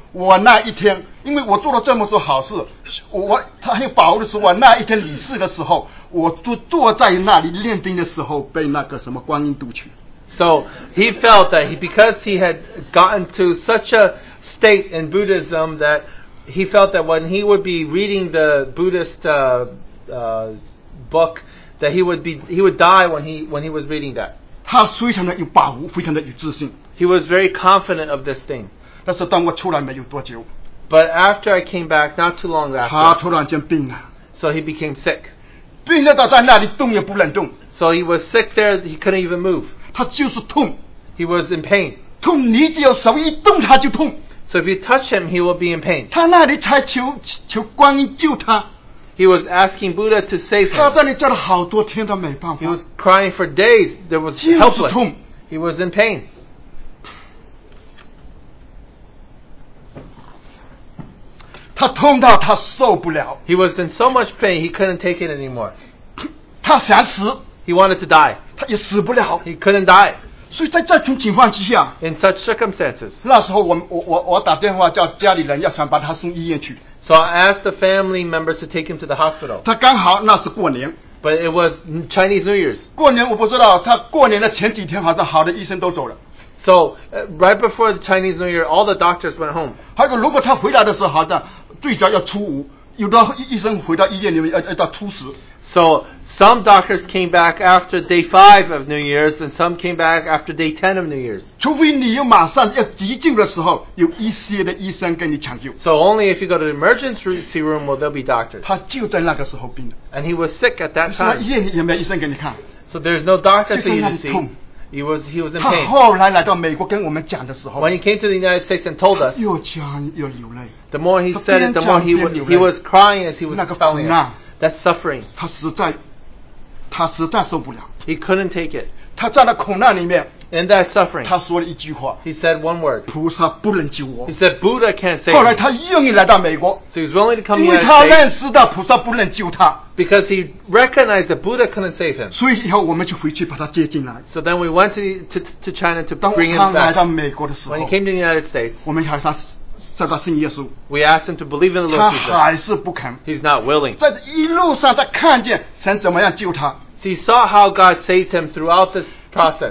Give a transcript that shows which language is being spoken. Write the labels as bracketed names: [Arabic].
[Chinese] 我那一天，因为我做了这么多好事，他很保的是我那一天离世的时候，我坐在那里念经的时候，被那个什么观音读取。 [English] So he felt that he because he had gotten to such a state in Buddhism that he felt that when he would be reading the Buddhist book that he would die when he was reading that. [Chinese] 他非常的有把握，非常的有自信。 [English] He was very confident of this thing. [Chinese] 但是当我出来没有多久 [English] But after I came back, not too long after, [Chinese] 他突然间病了 [English] So he became sick. [Chinese] 病了到在那里动也不能动 [English] So he was sick there, he couldn't even move. [Chinese] 他就是痛 [English] He was in pain. [Chinese] 痛你只要手一动他就痛 [English] So if you touch him, he will be in pain. [Chinese] 他那里才求观音救他 [English] He was asking Buddha to save him. [Chinese] 他在那里叫了好多天都没办法 [English] He was crying for days, there was helpless. He was in pain. [Chinese] 他痛到他受不了。 [English] He was in so much pain, he couldn't take it anymore. [Chinese] 他想死。 [English] He wanted to die. [Chinese] 他也死不了。 [English] He couldn't die. [Chinese] 所以在这种情况之下。 [English] In such circumstances. [Chinese] 那时候我打电话叫家里人要想把他送医院去。 [English] So I asked the family members to take him to the hospital. [Chinese] 他刚好那是过年。 [English] But it was Chinese New Year's. [Chinese] 过年我不知道他过年的前几天好像好的医生都走了。 [English] So right before the Chinese New Year, all the doctors went home. [Chinese] 还有如果他回来的时候好像最早要初五，有的医生回到医院里面要到初十。 [English] So some doctors came back after day 5 of New Year's, and some came back after day 10 of New Year's. [Chinese] 除非你要马上要急救的时候，有一些的医生跟你抢救。 [English] So only if you go to the emergency room will there be doctors. [Chinese] 他就在那个时候病的。 [English] And he was sick at that time. [Chinese] 医院里有没有医生给你看 [English] ？So there's no doctor for you to see. He was in pain. [Chinese] 他后来来到美国跟我们讲的时候 [English] ，When he came to the United States and told us, [Chinese] 又讲又流泪。 [English] The more he said it, the more he was crying as he was falling. That suffering. [Chinese] 他实在受不了。 [English] He couldn't take it. [Chinese] 他在那苦难里面 [English] ，In that suffering, [Chinese] 他说了一句话。 [English] He said one word. [Chinese] 菩萨不能救我。 [English] He said Buddha can't save. [Chinese] 后来他愿意来到美国 [English] ，So he's willing to come [Chinese] here. 因为他认识到菩萨不能救他。 [English] Because he recognized that Buddha couldn't save him. [Chinese] 所以以后我们就回去把他接进来。 [English] So then we went to China to bring him back. [Chinese] 当他来到美国的时候 [English] ，When he came to the United States, [Chinese] 我们还叫他信耶稣。 [English] We asked him to believe in the Lord Jesus. [Chinese] 他还是不肯。 [English] He's not willing. [Chinese] 在一路上他看见神怎么样救他。 [English] He saw how God saved him throughout this process.